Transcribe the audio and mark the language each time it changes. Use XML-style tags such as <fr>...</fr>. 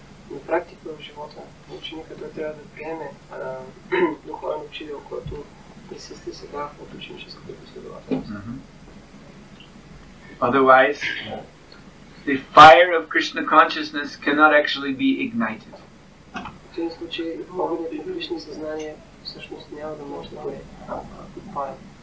<bg>На практика в живота ученика той трябва да приеме духовен учител, който присъства сега от ученическата последователност.</bg> <en>Otherwise, the fire of Krishna consciousness cannot actually be ignited.</en> <bg>В този случай огънят на Кришна съзнание всъщност няма да може да бъде подпален.</bg>